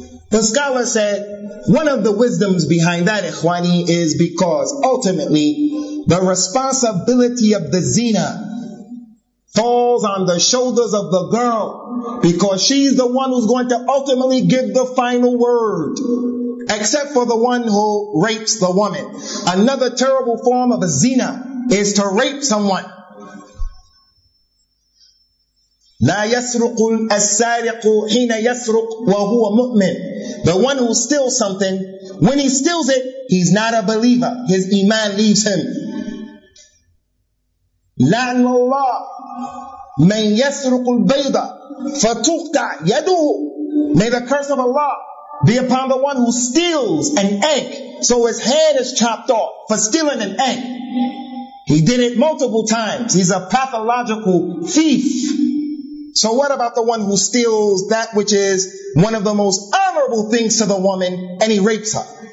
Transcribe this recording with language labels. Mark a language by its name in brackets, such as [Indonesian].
[English] The scholar said, one of the wisdoms behind that, ikhwani, is because ultimately the responsibility of the zina falls on the shoulders of the girl, because she's the one who's going to ultimately give the final word. Except for the one who rapes the woman. Another terrible form of a zina is to rape someone. [Arabic] لا يسرق السارق حين يسرق وهو مؤمن. [English] The one who steals something, when he steals it, he's not a believer. His iman leaves him. [Arabic] لعن الله من يسرق البيضة فتقطع يده. [English] May the curse of Allah be upon the one who steals an egg, so his head is chopped off for stealing an egg. He did it multiple times. He's a pathological thief. So what about the one who steals that which is one of the most honorable things to the woman, and he rapes her?